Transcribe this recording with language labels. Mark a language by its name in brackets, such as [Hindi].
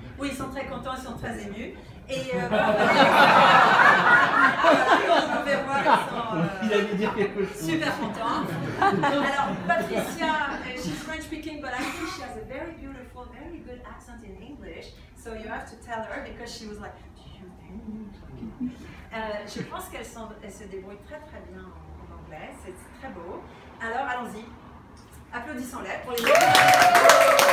[French] Oui, ils sont très contents, ils sont très émus. Et vous pouvez voir, ils sont super contents. [English] Alors, Patricia, she's French speaking, but I think she has a very beautiful, very good accent in English. So you have to tell her because she was like, do you think? [French] Je pense qu'elle se débrouille très très bien en anglais, c'est très beau. Alors allons-y, applaudissons-les pour les